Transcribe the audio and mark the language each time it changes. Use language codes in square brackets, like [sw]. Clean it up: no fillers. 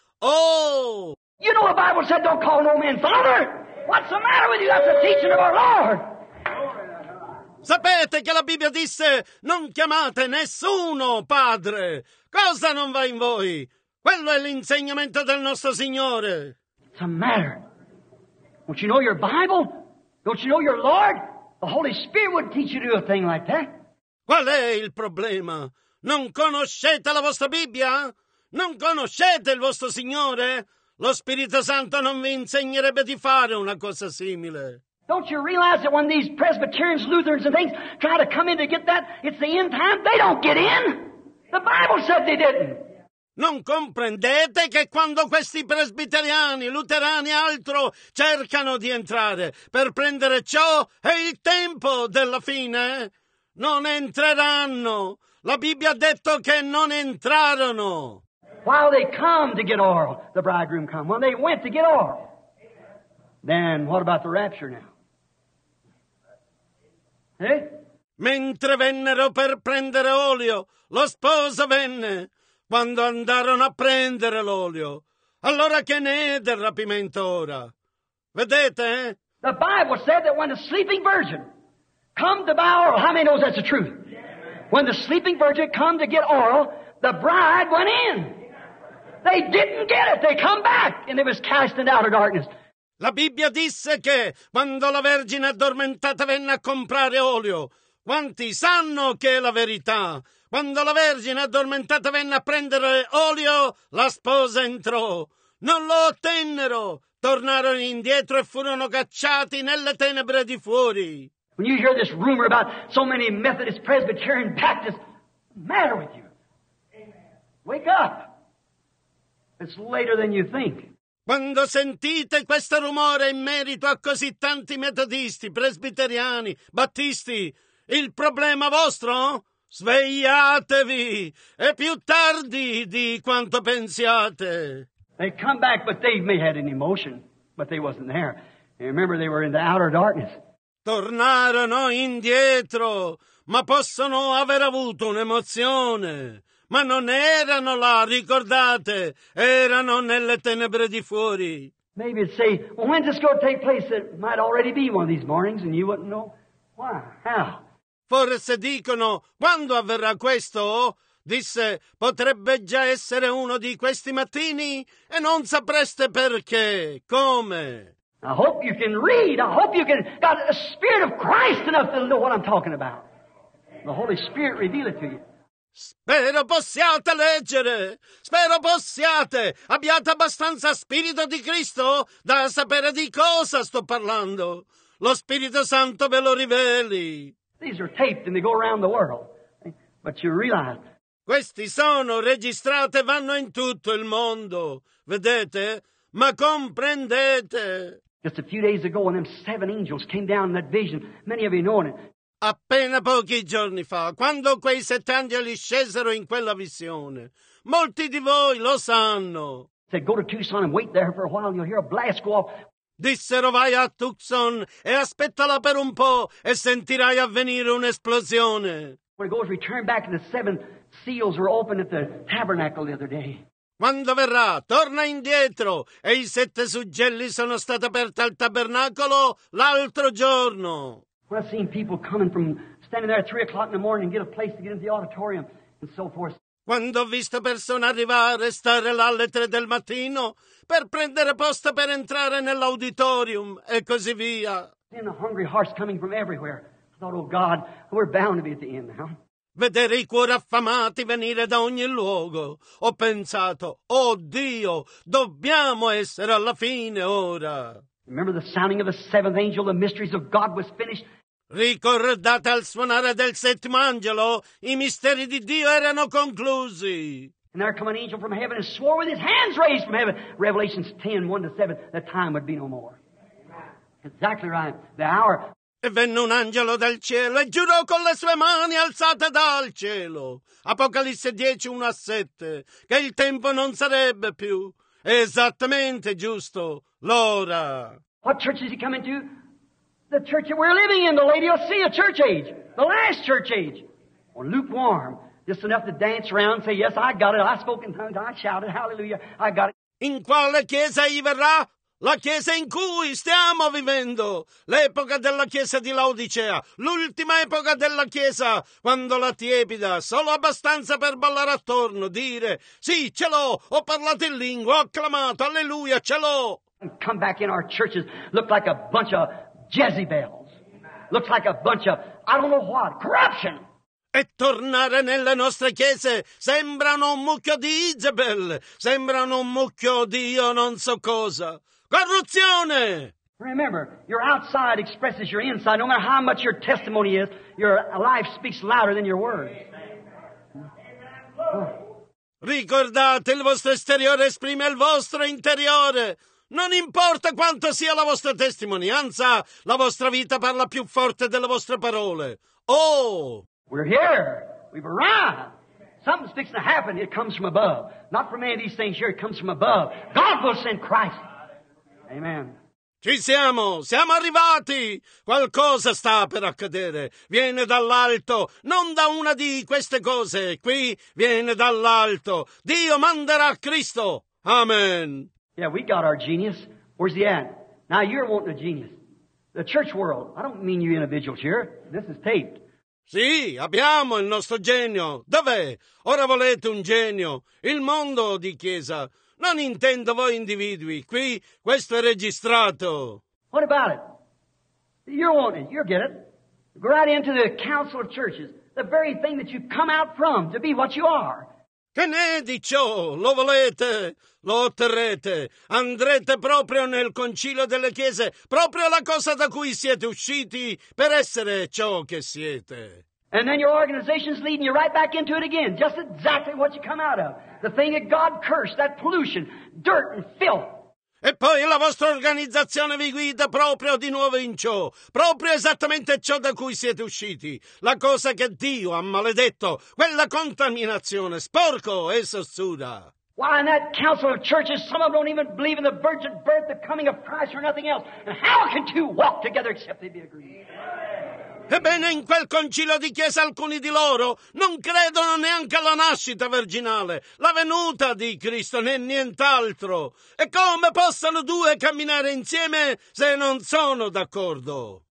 [en] Oh! You know the Bible said don't call no man Father? What's the matter with you? That's the teaching of our Lord. [it] Sapete che la Bibbia disse non chiamate nessuno Padre. Cosa non va in voi? Quello è l'insegnamento del nostro Signore. [en] What's the matter? Don't you know your Bible? Don't you know your Lord? The Holy Spirit wouldn't teach you to do a thing like that. [it] Qual è il problema? Non conoscete la vostra Bibbia? Non conoscete il vostro Signore? Lo Spirito Santo non vi insegnerebbe di fare una cosa simile. [en] Don't you realize that when these Presbyterians, Lutherans and things try to come in to get that, it's the end time? They don't get in. The Bible said they didn't. [it] Non comprendete che quando questi presbiteriani, luterani e altro cercano di entrare per prendere ciò, è il tempo della fine? Non entreranno. La Bibbia ha detto che non entrarono. [en] While they come to get oil, the bridegroom come. When they went to get oil, then what about the rapture now? Eh? [it] Mentre vennero per prendere olio, lo sposo venne. Quando andarono a prendere l'olio. Allora che ne è del rapimento ora? Vedete? [en] The Bible said that when the sleeping virgin come to buy oil, how many knows that's the truth? When the sleeping virgin come to get oil, the bride went in. They didn't get it. They come back and it was cast into outer darkness. [it] La Bibbia disse che quando la vergine addormentata venne a comprare olio, quanti sanno che è la verità? Quando la Vergine addormentata venne a prendere olio, la sposa entrò. Non lo ottennero. Tornarono indietro e furono cacciati nelle tenebre di fuori. [en] When you hear this rumor about so many Methodist, Presbyterian, Baptists, what's the matter with you? Amen. Wake up! It's later than you think. [it] Quando sentite questo rumore in merito a così tanti metodisti, presbiteriani, battisti, il problema vostro? Svegliatevi! È più tardi di quanto pensiate! [en] They come back, but they may had an emotion, but they wasn't there. You remember, they were in the outer darkness. [it] Tornarono indietro, ma possono aver avuto un'emozione. Ma non erano là, ricordate, erano nelle tenebre di fuori. [en] Maybe it'd say, well, when does this go take place? It might already be one of these mornings, and you wouldn't know. Why? How? [it] Forse dicono, quando avverrà questo? Disse, potrebbe già essere uno di questi mattini e non sapreste perché, come. [en] I hope you can read. I hope you can got the Spirit of Christ enough to know what I'm talking about. The Holy Spirit reveal it to you. [it] Spero possiate leggere. Spero possiate. Abbiate abbastanza Spirito di Cristo da sapere di cosa sto parlando. Lo Spirito Santo ve lo riveli. [en] These are taped and they go around the world. But you realize. [it] Questi sono registrate e vanno in tutto il mondo. Vedete? Ma comprendete? [en] Just a few days ago when them seven angels came down in that vision, many of you know it. [it] Appena pochi giorni fa, quando quei sette angeli scesero in quella visione, molti di voi lo sanno. [en] Said, go to Tucson and wait there for a while, you'll hear a blast go off. [it] Dissero, vai a Tucson e aspettala per un po' e sentirai avvenire un'esplosione. [en] When it goes, return back and the seven seals were opened at the tabernacle the other day. [it] Quando verrà, torna indietro e i sette suggelli sono stati aperti al tabernacolo l'altro giorno. [en] I've seen people coming from standing there at 3 o'clock in the morning and get a place to get into the auditorium and so forth. [it] Quando ho visto persone arrivare e stare là alle 3 del mattino per prendere posto per entrare nell'auditorium e così via. [en] Seeing the hungry hearts coming from everywhere. I thought, oh God, we're bound to be at the end now. [it] Vedere i cuori affamati venire da ogni luogo. Ho pensato, oh Dio, dobbiamo essere alla fine ora. [en] Remember the sounding of the seventh angel, the mysteries of God was finished. [it] Ricordate al suonare del settimo angelo, i misteri di Dio erano conclusi. [en] And there came an angel from heaven and swore with his hands raised from heaven. Revelation 10:1-7, the time would be no more. Exactly right, the hour. [it] E venne un angelo dal cielo e giurò con le sue mani alzate dal cielo. Apocalisse 10:1-7, che il tempo non sarebbe più. Esattamente giusto, l'ora. [en] What church is he coming to? The church that we're living in, the Laodicea church age, the last church age. Or lukewarm, just enough to dance around and say, yes, I got it, I spoke in tongues, I shouted, hallelujah, I got it. [it] In quale chiesa gli verrà? La chiesa in cui stiamo vivendo, l'epoca della chiesa di Laodicea, l'ultima epoca della chiesa, quando la tiepida, solo abbastanza per ballare attorno, dire, sì, ce l'ho, ho parlato in lingua, ho acclamato, alleluia, ce l'ho. [en] And come back in our churches, look like a bunch of Jezebels, looks like a bunch of, I don't know what, corruption. [it] E tornare nelle nostre chiese sembrano un mucchio di Isabel, sembrano un mucchio di io non so cosa. Corruzione! [en] Remember, your outside expresses your inside. No matter how much your testimony is, your life speaks louder than your word. [it] Ricordate, il vostro esteriore esprime il vostro interiore. Non importa quanto sia la vostra testimonianza, la vostra vita parla più forte delle vostre parole. Oh! [en] We're here. We've arrived. Something's fixing to happen. It comes from above. Not from any of these things here. It comes from above. God will send Christ. Amen. [it] Ci siamo. Siamo arrivati. Qualcosa sta per accadere. Viene dall'alto. Non da una di queste cose. Qui viene dall'alto. Dio manderà Cristo. Amen. [en] Yeah, we got our genius. Where's he at? Now you're wanting a genius. The church world. I don't mean you individuals here. This is taped. [it] Sì, abbiamo il nostro genio. Dov'è? Ora volete un genio. Il mondo di chiesa. Non intendo voi individui. Qui, questo è registrato. [en] What about it? You're wanting it. You'll get it. Go right into the council of churches. the very thing that you come out from, to be what you are. [it] Che ne di ciò? Lo volete? Lo otterrete? Andrete proprio nel concilio delle chiese, proprio la cosa da cui siete usciti per essere ciò che siete. [en] And then your organization's leading you right back into it again, just exactly what you come out of. The thing that God cursed, that pollution, dirt and filth. [it] E poi la vostra organizzazione vi guida proprio di nuovo in ciò, proprio esattamente ciò da cui siete usciti, la cosa che Dio ha maledetto, quella contaminazione, sporco e sozzuda. [en] Why, in that council of churches, some of them don't even believe in the virgin birth, the coming of Christ, or nothing else. And how can two walk together except they be agreed? [it] Ebbene, in quel concilio di chiesa alcuni di loro non credono neanche alla nascita virginale, la venuta di Cristo, né nient'altro. E come possono due camminare insieme se non sono d'accordo?